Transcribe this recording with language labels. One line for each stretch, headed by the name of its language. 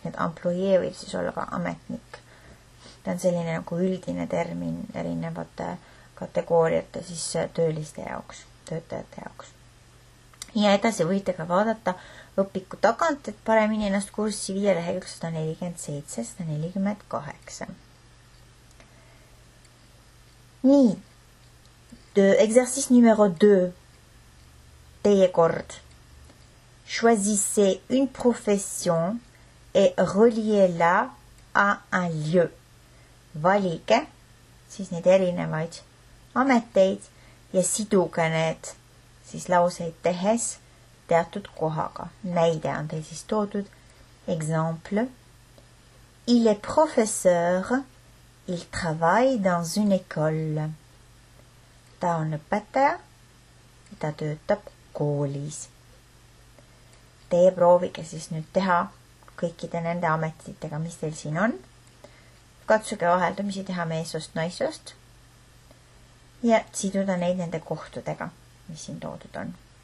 Estonian: Need employee võib siis olla ka ametnik. Ta on selline nagu üldine termin erinevate kategooriate siis tööliste jaoks, töötajate jaoks. Ja edasi võite ka vaadata õpiku tagant, et paremini ennast kurssi viia lehekülg 147-148. Nii,
French: exercice numéro 2,
Estonian: teie kord.
French: Choisissez une profession et reliez-la à un lieu.
Estonian: Valige, siis need erinevaid ameteid ja siduge need siis lauseid tehes teatud kohaga. Näide on teil siis toodud.
French: Exemple. Il est professeur, il travaille dans une école.
Estonian: Ta on õpetaja ja ta töötab koolis. Teie proovige siis nüüd teha kõikide nende ametitega, mis teil siin on. Katsuge vaheldumisi teha meesost, naisost ja siduda neid nende kohtudega, mis siin toodud on.